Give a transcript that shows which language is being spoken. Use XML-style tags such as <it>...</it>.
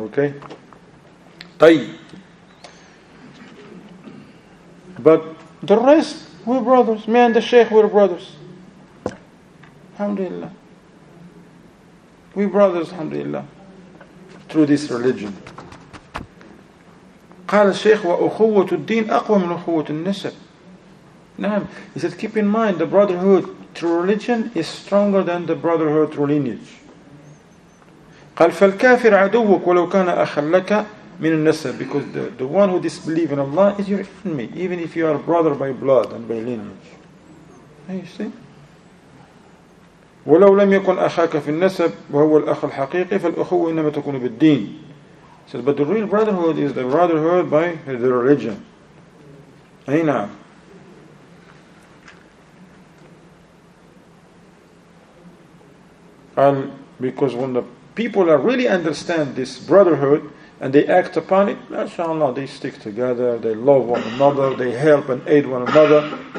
<en>Okay, Tay. But the rest, we're brothers. Me and the Sheikh, we're brothers. Alhamdulillah. We brothers, alhamdulillah, through this religion.</en> <ar>قال الشيخ وأخوة الدين أقوى من أخوة النسب. نعم.</ar> <en>He said, keep in mind, the brotherhood through religion is stronger than the brotherhood through lineage.</en> <ar>قال فالكافر عدوك ولو كان أخا لك من النسب.</ar> <en>Because the one who disbelieves in Allah is your enemy, even if you are a brother by blood and by lineage. You see?</en> <ar>ولو لم يكن أخاك في النسب وهو الأخ الحقيقي فالأخوة إنما تكون بالدين.</ar> <en>He says, but the real brotherhood is the brotherhood by the religion. Aina. And because when the people are really understand this brotherhood and they act upon it, mashallah, they stick together, they love one another, they help and aid one another.</en>